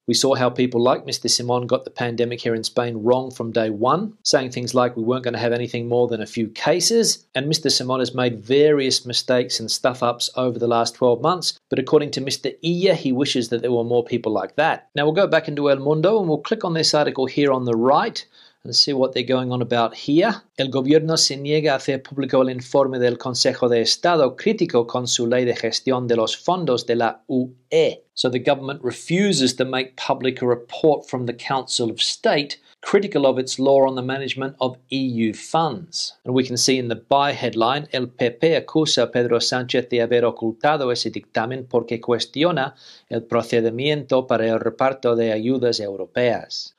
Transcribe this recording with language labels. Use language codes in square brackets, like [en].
[en] We saw how people like Mr. Simón got the pandemic here in Spain wrong from day one, saying things like we weren't going to have anything more than a few cases. And Mr. Simón has made various mistakes and stuff ups over the last 12 months. But according to Mr. Illa, he wishes that there were more people like that. Now we'll go back into El Mundo and we'll click on this article here on the right and see what they're going on about here. [es] El gobierno se niega a hacer público el informe del Consejo de Estado crítico con su ley de gestión de los fondos de la UE. [en] So the government refuses to make public a report from the Council of State critical of its law on the management of EU funds. And we can see in the by headline, [es] El PP acusa a Pedro Sánchez de haber ocultado ese dictamen porque cuestiona el procedimiento para el reparto de ayudas europeas.